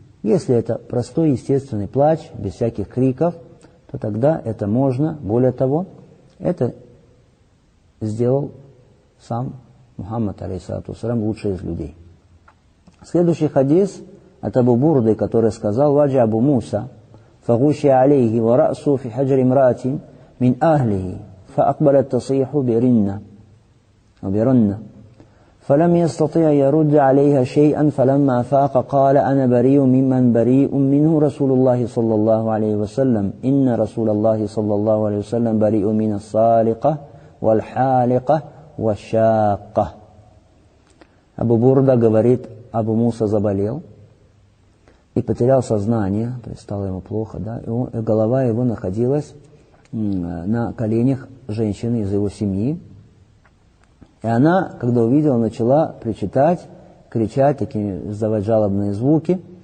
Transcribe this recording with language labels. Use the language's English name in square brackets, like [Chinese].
[Russian] Если это простой естественный плач, без всяких криков, то тогда это можно. Более того, это сделал сам Мухаммад, алейхиссалату вассалям, лучший из людей. Следующий хадис от Абу Бурды, который сказал: «Ваджи Абу Муса». [Arabic] فغشي عليه ورأسه في حجر امرأة من أهله فأقبلت تصيح برنة فلم يستطيع يرد عليها شيئا فلما فاق قال أنا بريء ممن بريء منه رسول الله صلى الله عليه وسلم إن رسول الله صلى الله عليه وسلم بريء من الصالقة والحالقة والشاقة. [Russian] أبو بردة говорит: أبو موسى заболел и потерял сознание, то есть стало ему плохо, да, и голова его находилась на коленях женщины из его семьи. И она, когда увидела, начала причитать, кричать, такие, издавать жалобные звуки.